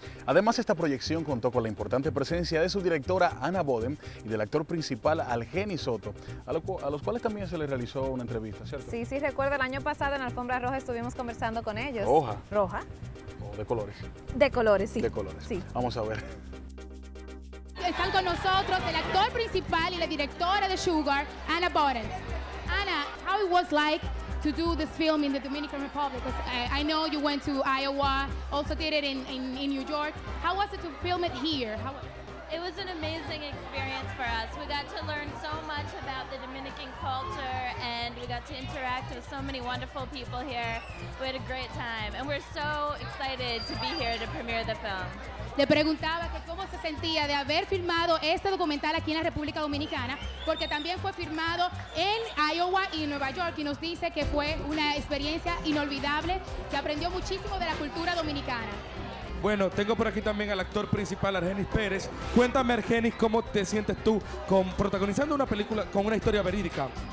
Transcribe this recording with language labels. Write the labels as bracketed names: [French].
[Spanish] Además, esta proyección contó con la importante presencia de su directora Ana Boden y del actor principal Algenis Soto, a los cuales también se le realizó una entrevista, ¿cierto? Sí, sí, recuerdo el año pasado en Alfombra Roja estuvimos conversando con ellos. ¿Roja? ¿Roja? Oh, ¿de colores? De colores, sí. De colores. Sí. Vamos a ver. Están con nosotros el actor principal y la directora de Sugar, Ana Boden. [English] Ana, how it was like to do this film in the Dominican Republic? Because I know you went to Iowa, also did it in New York. How was it to film it here? It was an amazing experience for us. We got to learn so much about the Dominican culture, and we got to interact with so many wonderful people here. We had a great time, and we're so excited to be here to premiere the film. [Spanish] Le preguntaba que cómo se sentía de haber filmado este documental aquí en la República Dominicana, porque también fue filmado en Iowa y en Nueva York, y nos dice que fue una experiencia inolvidable, que aprendió muchísimo de la cultura dominicana. Bueno, tengo por aquí también al actor principal, Argenis Pérez. Cuéntame, Argenis, ¿cómo te sientes tú con protagonizando una película con una historia verídica?